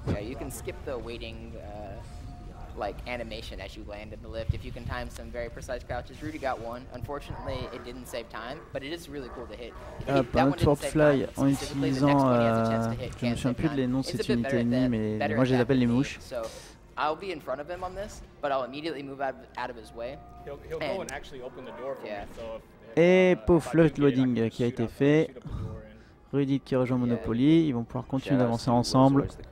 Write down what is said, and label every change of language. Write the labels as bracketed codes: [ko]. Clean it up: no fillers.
[en] Yeah, you can skip the waiting animation as you land in the lift if you can time some very precise crouches. Rudy got one. Unfortunately, it didn't save time, but it is really cool to hit. [fr] Hop, un sword fly en utilisant je me souviens plus de les noms cette unité ennemie, mais moi je les appelle les mouches. [en] So I'll be in front of him on this, but I'll immediately move out of his way. He'll go and actually open the door for me. [fr] Et pouf, le loading qui a été fait. Rudy qui rejoint Monopoly, ils vont pouvoir continuer d'avancer ensemble.